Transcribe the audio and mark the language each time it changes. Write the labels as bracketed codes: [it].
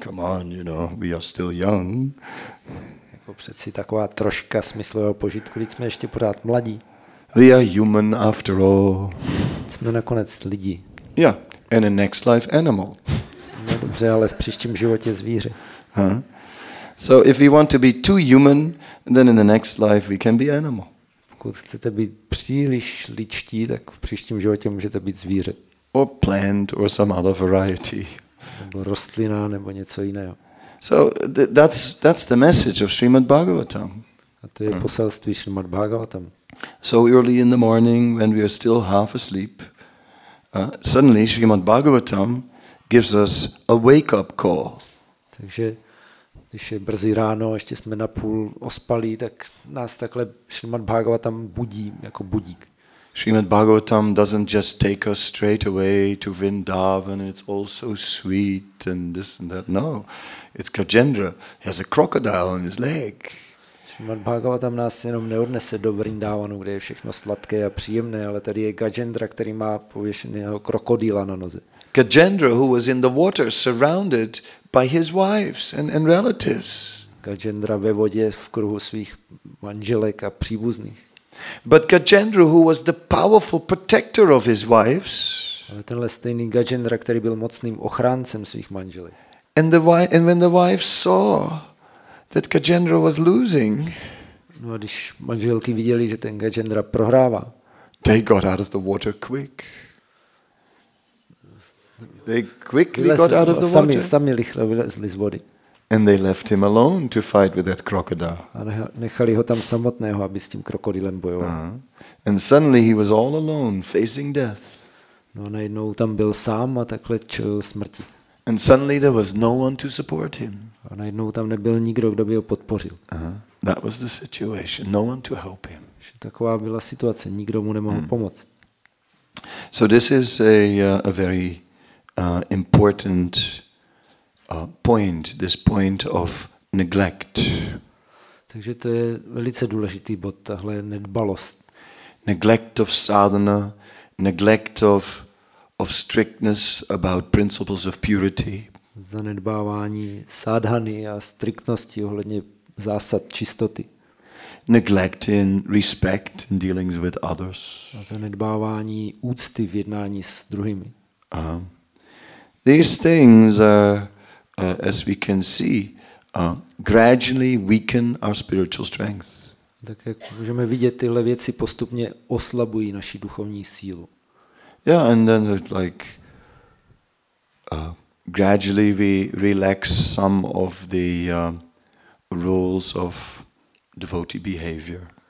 [en] Come on, you know, we are still young. [cs] Jako přeci taková troška smyslového požitku, když jsme ještě pořád mladí. [en] We are human after all. [cs] Jsme nakonec lidi. [en] Yeah, and in next life animal. [cs] No dobře, ale v příštím životě zvíře. [en] So if we want to be too human, then in the next life we can be animal. [cs] Pokud chcete být příliš lidští, tak v příštím životě můžete být zvíře. [en] Or plant or some other variety. [cs] Nebo rostlina nebo něco jiného. [en] So that's the message of Srimad Bhagavatam. [cs] A to je poselství Srimad Bhagavatam. [en] So early in the morning when we are still half asleep, suddenly Srimad Bhagavatam gives us a wake up call. [cs] Takže když je brzy ráno, ještě jsme na půl ospalí, tak nás takhle Srimad Bhagavatam budí jako budík. [en] Srimad Bhagavatam doesn't just take us straight away to Vrindavan, it's all so sweet and this and that. No. It's Gajendra. He has a crocodile on his leg. [cs] Srimad Bhagavatam nás jenom neodnese do Vrindavanu, kde je všechno sladké a příjemné, ale tady je Gajendra, který má pověšeného krokodýla na noze. [en] Gajendra, who was in the water, surrounded by his wives and relatives. [cs] Gajendra ve vodě v kruhu svých manželek a příbuzných. [en] But Gajendra, who was the powerful protector of his wives. [cs] Ale tenhle stejný Gajendra, který byl mocným ochráncem svých manželek. [en] And when the wives saw that Gajendra was losing. [cs] No a když manželky viděli, že ten Gajendra prohrává. [en] They got out of the water quick. They quickly got out of the water. [cs] Sami rychle vylezli z vody. [en] And they left him alone to fight with that crocodile. [cs] A nechali ho tam samotného, aby s tím krokodýlem bojoval. [en] And suddenly he was all alone facing death. [cs] No a najednou tam byl sám a takhle čelil smrti. [en] And suddenly there was no one to support him. [cs] A najednou tam nebyl nikdo, kdo by ho podpořil. [en] That was the situation. No one to help him. [cs] Taková byla situace, nikdo mu nemohl pomoct. [en] So this is a very important point, this point of neglect. [cs] Takže to je velice důležitý bod, tahle nedbalost. [en] Neglect of sadhana, neglect of strictness about principles of purity. [cs] Zanedbávání sadhany a striktnosti ohledně zásad čistoty. [en] Neglect in respect in dealings with others. [cs] A zanedbávání úcty v jednání s druhými. [en] These things are, as we can see, gradually weaken our spiritual strength. [cs] Tak jak můžeme vidět, tyhle věci postupně oslabují naši duchovní sílu. [en] Yeah, and then like gradually we relax some of the rules of devotee behavior.